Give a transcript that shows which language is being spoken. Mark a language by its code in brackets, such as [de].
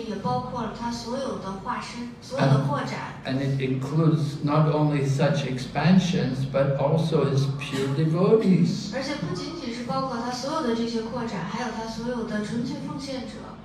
[zh] 那么正如施洛帕帕德在这本书的导言里边所说的，我们谈到Krishna，这就意味着也包括了他所有的化身，所有的扩展。 [en] And it includes not only such expansions, but also his pure devotees. [zh] 而且不仅仅是包括他所有的这些扩展，还有他所有的纯粹奉献者。